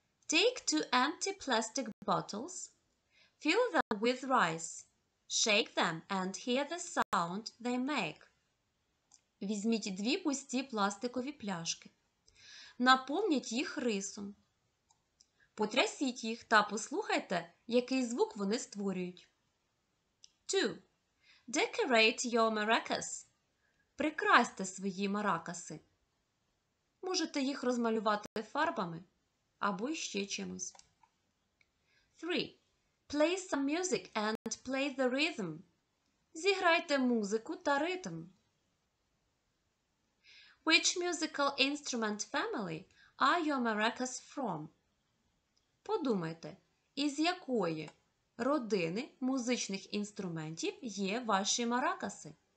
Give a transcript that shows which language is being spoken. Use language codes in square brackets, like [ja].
[en] Take two empty plastic bottles, fill them with rice, shake them and hear the sound they make. [uk] Візьміть дві пусті пластикові пляшки. Наповніть їх рисом. Потрясіть їх та послухайте, який звук вони створюють. [en] 2. Decorate your maracas. [uk] Прикрасьте свої маракаси. Можете їх розмалювати фарбами або ще чимось. [en] 3. Play some music and play the rhythm. [uk] Зіграйте музику та ритм. [en] Which musical instrument family are your maracas from? [uk] Подумайте, Із якої родини музичних інструментів є ваші маракаси?